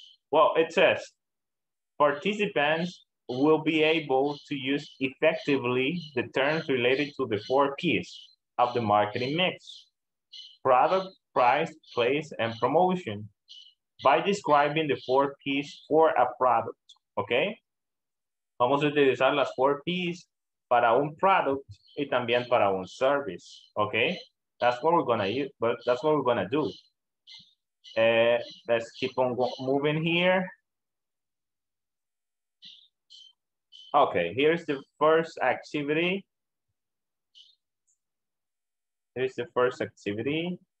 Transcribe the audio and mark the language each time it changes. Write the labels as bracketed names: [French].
[English] Well, it says participants will be able to use effectively the terms related to the four P's of the marketing mix: product, price, place, and promotion, by describing the four P's for a product. Okay? [Spanish] Vamos a utilizar las four P's para un product y también para un service. [English] Okay? That's what we're gonna use, but that's what we're gonna do. Let's keep on moving here. Okay, here's the first activity. Here's the first activity.